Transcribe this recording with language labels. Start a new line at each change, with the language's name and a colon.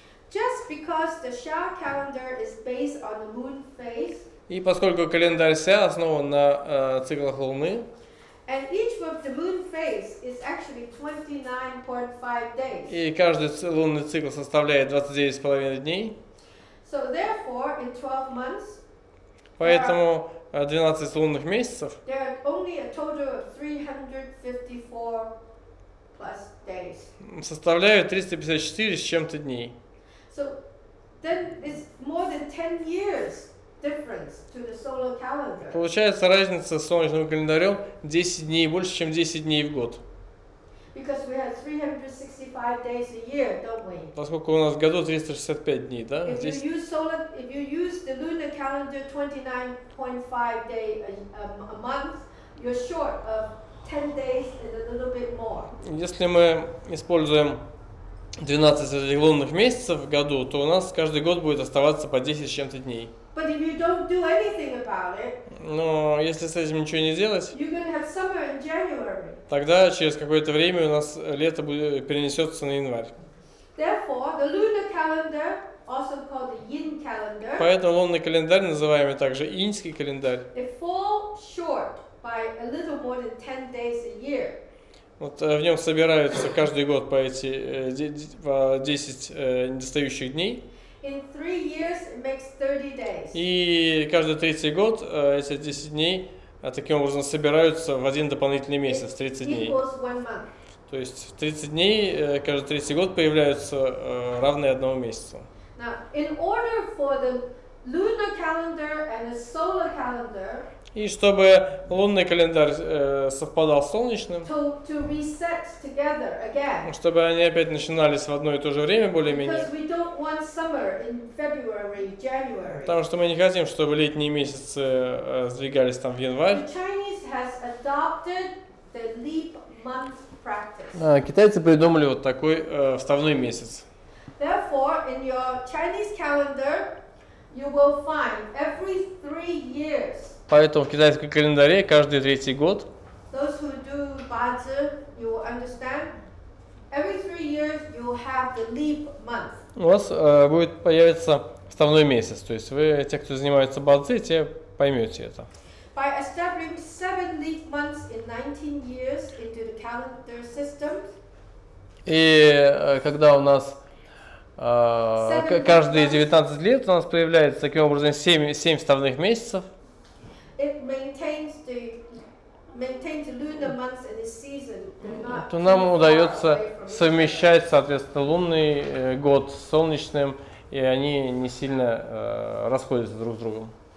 English: Just because the Xia calendar is based on the moon phase.
Russian: И поскольку календарь Ся основан на циклах Луны.
English: And each of the moon phase is actually 29.5 days.
Russian: И каждый лунный цикл составляет 29.5 дней.
English: So therefore, in 12 months.
Russian: Поэтому 12 лунных месяцев.
English: There are only a total of 354 plus days.
Russian: Составляют 354 с чем-то дней.
English: So then it's more than 10 years difference to the solar calendar.
Russian: Получается разница с солнечным календарем 10 дней больше, чем 10 дней в год.
English: Because we have 365 days a year, don't we?
Russian: Поскольку у нас в году 365 дней, да?
English: If you use the lunar calendar 29.5 day a month, you're short of 10 days and a little bit more.
Russian: Если мы используем 12 лунных месяцев в году, то у нас каждый год будет оставаться по 10 с чем-то дней.
English: But if you don't do anything about it,
Russian: но если с этим ничего не делать,
English: you're gonna have summer in January.
Russian: Тогда через какое-то время у нас лето перенесется на январь.
English: Therefore, the lunar calendar, also called the yin calendar,
Russian: поэтому лунный календарь, называемый также иньский календарь,
English: it falls short by a little more than 10 days a year.
Russian: Вот в нем собираются каждый год по эти 10 недостающих дней.
English: In 3 years it makes 30 days.
Russian: И каждый третий год эти 10 дней таким образом собираются в один дополнительный месяц, 30 дней. То есть 30 дней каждый третий год появляются равные одному месяцу.
English: Now, in order for the lunar calendar and the solar calendar.
Russian: И чтобы лунный календарь совпадал с солнечным,
English: to reset together again.
Russian: Чтобы они опять начинались в одно и то же время более-менее.
English: Because we don't want summer in February, January.
Russian: Потому что мы не хотим, чтобы летние месяцы сдвигались там в январь.
English: The Chinese has adopted the leap month practice.
Russian: Китайцы придумали вот такой вставной месяц.
English: Therefore, in your Chinese calendar, you will find every 3 years.
Russian: Поэтому в китайском календаре каждый третий год.
English: Those who do bazi, you will understand. Every 3 years you will have the leap month.
Russian: У вас будет появиться вставной месяц. То есть вы, те, кто занимаются бадзи, те поймете это.
English: By establishing 7 leap months in 19 years into the calendar system.
Russian: И когда у нас каждые 19 лет у нас появляется таким образом 7 вставных месяцев.
English: It maintains the
Russian: то нам удается совмещать, соответственно, лунный год с солнечным, и они не сильно расходятся друг с другом.